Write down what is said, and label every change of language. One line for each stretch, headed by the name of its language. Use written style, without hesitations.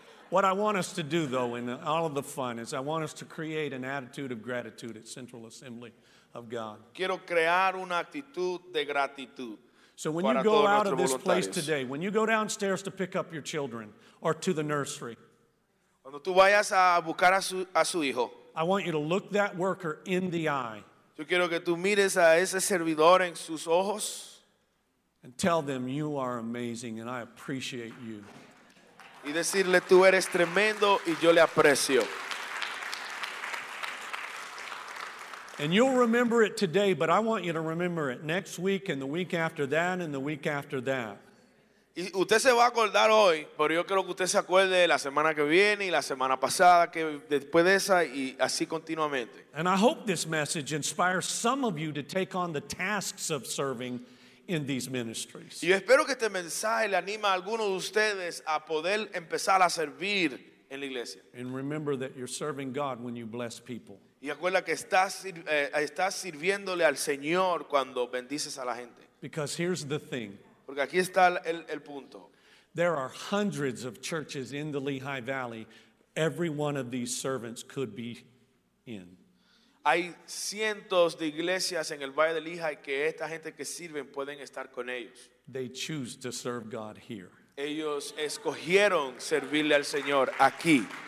English: What I want us to do, though, in all of the fun, is I want us to create an attitude of gratitude at Central Assembly of God.
Spanish: Quiero crear una actitud de gratitud.
English: So when you go out of this place today, when you go downstairs to pick up your children or to the nursery,
Spanish: cuando tú vayas a buscar a su hijo,
English: I want you to look that worker in the eye.
Spanish: Yo quiero que tú mires a ese servidor en sus ojos.
English: And tell them you are amazing and I appreciate you.
Spanish: Y decirle tú eres tremendo y yo le aprecio.
English: And you'll remember it today, but I want you to remember it next week and the week after that and the week after that.
Spanish: Y usted se va a acordar hoy, pero yo quiero que usted se acuerde la semana que viene y la semana pasada, que después de esa y así continuamente.
English: And I hope this message inspires some of you to take on the tasks of serving in these ministries.
Spanish: Y espero que este mensaje le anima a algunos de ustedes a poder empezar a servir en la iglesia.
English: And remember that you're serving God when you bless people.
Spanish: Y acuerda que estás sirviéndole al Señor cuando bendices a la gente.
English: Because here's the thing.
Spanish: Porque aquí está el punto.
English: There are hundreds of churches in the Lehigh Valley. Every one of these servants could be in.
Spanish: Hay cientos de iglesias en el Valle de Lehigh que esta gente que sirven pueden estar con ellos.
English: They choose to serve God here.
Spanish: Ellos escogieron servirle al Señor aquí.